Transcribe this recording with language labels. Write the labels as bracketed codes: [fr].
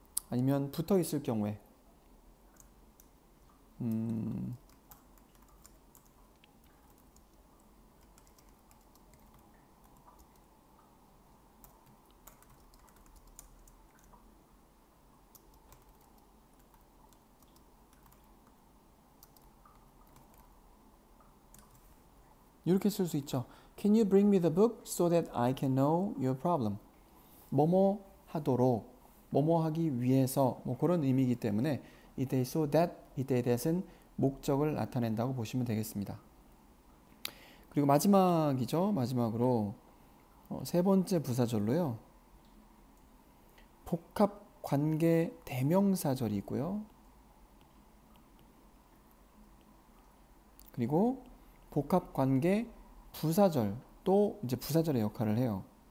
[ko] 아니면 붙어 있을 경우에, "이렇게 쓸수 있죠. [en] Can you bring me the book so that I can know your problem?" [ko] 뭐뭐 하도록. 뭐뭐 하기 위해서, 뭐 그런 의미이기 때문에 이때 so that, 이때에 대해서는 목적을 나타낸다고 보시면 되겠습니다. 그리고 마지막이죠. 마지막으로 세 번째 부사절로요, 복합 관계 대명사절이 있고요, 그리고 복합 관계 부사절, 또 이제 부사절의 역할을 해요.